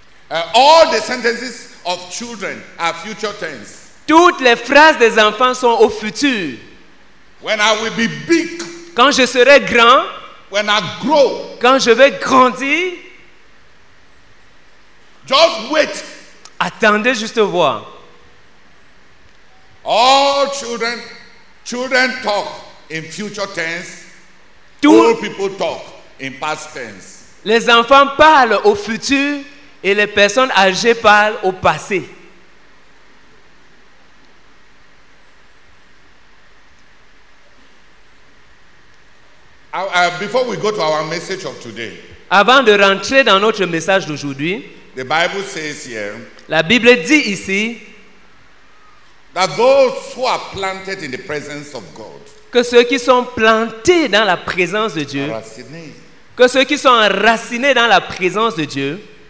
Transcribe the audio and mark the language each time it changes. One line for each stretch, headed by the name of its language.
English: All the sentences of children are future tense.
French: Toutes les phrases des enfants sont au futur.
English: When I will be big.
French: Quand je serai grand,
English: when I grow,
French: quand je vais grandir,
English: just wait.
French: Attendez juste voir.
English: All children talk in future tense. Old people talk in past tense.
French: Les enfants parlent au futur et les personnes âgées parlent au passé.
English: Before we go to our message of today,
French: avant de rentrer dans notre message d'aujourd'hui,
English: the Bible says here,
French: la Bible dit ici,
English: that those who are planted in the presence of God,
French: que ceux qui sont plantés dans la présence de Dieu, que ceux qui sont enracinés dans la présence de Dieu,